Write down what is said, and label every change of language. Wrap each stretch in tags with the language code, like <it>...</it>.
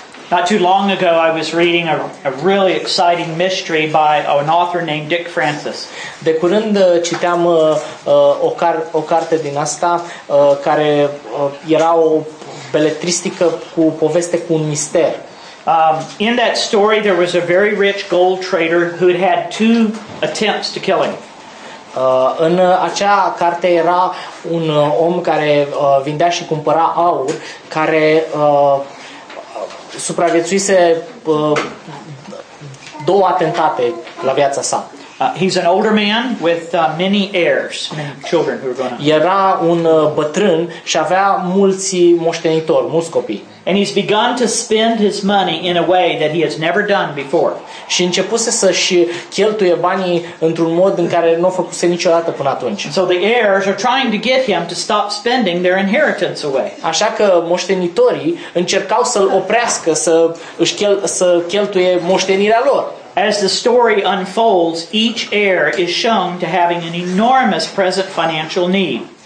<en>Not too long ago I was reading a really exciting mystery by an author named Dick Francis.</en> <ro>De curând citeam o carte din asta care era o beletristică cu poveste cu un mister.</ro> <en>In that story there was a very rich gold trader who had had two attempts to kill him.</en> <ro>În acea carte era un om care vindea și cumpăra aur, care supraviețuise două atentate la viața sa.</ro> <en>He's an older man with many heirs, many children who are going to.</en> <ro>Era un bătrân și avea mulți moștenitori, mulți copii.</ro> <en>And he's begun to spend his money in a way that he has never done before.</en> <ro>Și începuse să-și cheltuie banii într-un mod în care nu o făcuse niciodată până atunci.</ro> <en>So the heirs are trying to get him to stop spending their inheritance away.</en> <ro>Așa că moștenitorii încercau să-l oprească să cheltuie moștenirea lor.</ro> <en>As the story unfolds, each heir is shown to having an enormous present financial need.</en>